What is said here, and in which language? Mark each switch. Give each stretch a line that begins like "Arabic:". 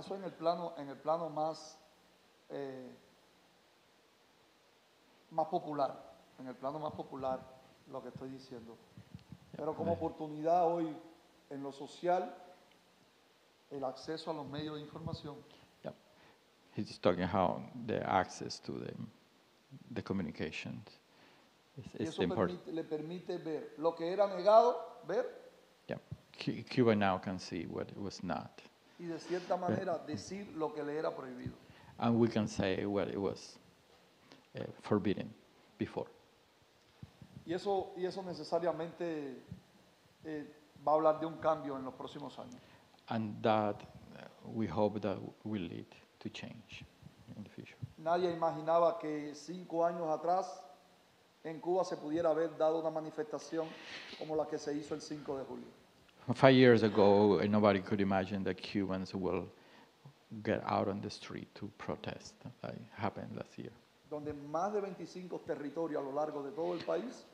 Spanish: Eso en el plano más más popular. En el plano más popular lo que estoy diciendo. Yeah. Pero como oportunidad hoy en lo social, el acceso a los medios de información. Yeah.
English: He's talking how the access to the communications is important.
Spanish: Le permite ver lo que era negado, ver. Yeah.
English: Cuba now can see what it was not.
Spanish: Y de cierta manera decir lo que le era prohibido.
English: And we can say what it was forbidden before.
Spanish: Y eso necesariamente va a hablar de un cambio en los próximos años.
English: And that we hope that will lead to change in the future.
Spanish: Nadie imaginaba que 5 años atrás en Cuba se pudiera haber dado una manifestación como la que se hizo el 5 de julio.
English: 5 years ago, nobody could imagine that Cubans will get out on the street to protest like happened last year.
Spanish: Donde más de 25 territorios a lo largo de todo el país.